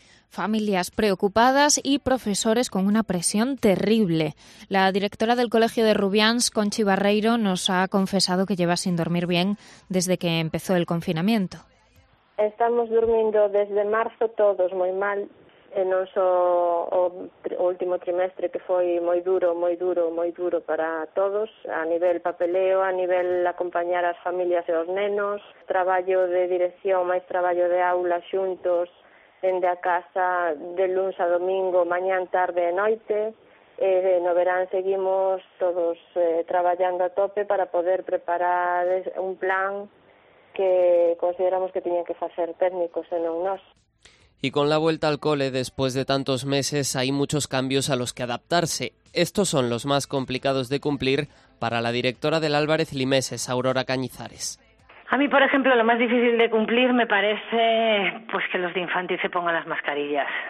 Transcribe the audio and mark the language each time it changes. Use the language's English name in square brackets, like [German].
[Spanish] Familias preocupadas y profesores con una presión terrible. La directora del Colegio de Rubians, Conchi Barreiro, nos ha confesado que lleva sin dormir bien desde que empezó el confinamiento. Estamos durmiendo desde marzo todos muy mal. [Galician] Non só o último trimestre que foi moi duro, moi duro, moi duro para todos, a nivel papeleo, a nivel acompañar as familias e os nenos, traballo de dirección, máis traballo de aula xuntos, dende a casa, de luns a domingo, mañán, tarde e noite, e no verán seguimos todos traballando a tope para poder preparar un plan que consideramos que tiñan que facer técnicos e non nós. [Spanish] Y con la vuelta al cole, después de tantos meses, hay muchos cambios a los que adaptarse. Estos son los más complicados de cumplir para la directora del Álvarez Limeses, Aurora Cañizares. A mí, por ejemplo, lo más difícil de cumplir me parece pues que los de infantil se pongan las mascarillas.